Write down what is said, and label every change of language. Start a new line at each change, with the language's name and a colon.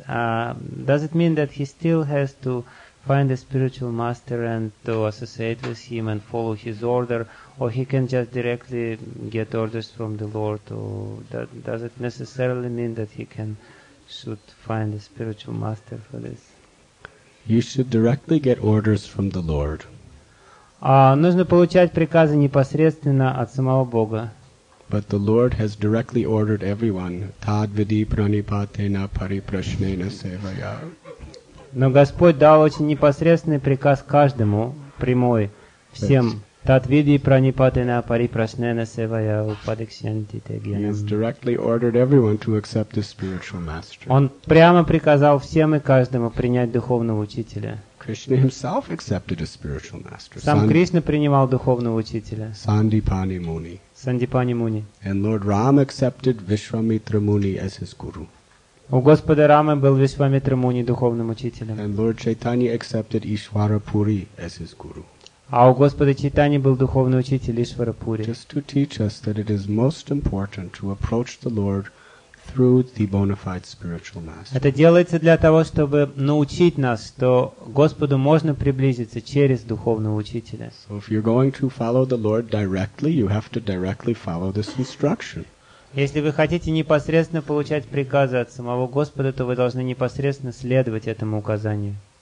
English: Does it mean that he still has to find a spiritual master and to associate with him and follow his order, or he can just directly get orders from the Lord? Does it necessarily mean that he should find a spiritual master for this? You should directly get orders from the Lord.
Russian: Нужно получать приказы непосредственно от самого Бога.
English: But the Lord has directly ordered everyone.
Sanskrit: Tadvidi pranipatena pariprashnena sevaya.
Russian: Но Господь дал очень непосредственный приказ каждому, прямой,
Sanskrit: всем татвиди пранипатена парипрашнена севая упадексянти тегьяна.
English: He has directly ordered everyone to accept the spiritual master.
Russian: Он прямо приказал всем и каждому принять духовного учителя.
English: Krishna himself accepted a spiritual master.
Russian: Сам Кришна принимал духовного учителя. Сандипани Муни. Сандипани Муни.
English: And Lord Rama accepted Vishwamitra Muni as his guru.
Russian: У Господа Рамы был Вишвамитра Муни духовным учителем.
English: And Lord Chaitanya accepted Ishwara Puri as his guru.
Russian: А у Господа Чайтани был духовный учитель Ишвара Пури.
English: Just to teach us that it is most important to approach the Lord through the bona fide spiritual master.
Russian: Это делается для того, чтобы научить нас, что Господу можно приблизиться через духовного учителя.
English: So if you're going to follow the Lord directly, you have to directly follow this instruction.
Russian: Если вы хотите непосредственно получать приказы от самого Господа, то вы должны непосредственно следовать этому указанию.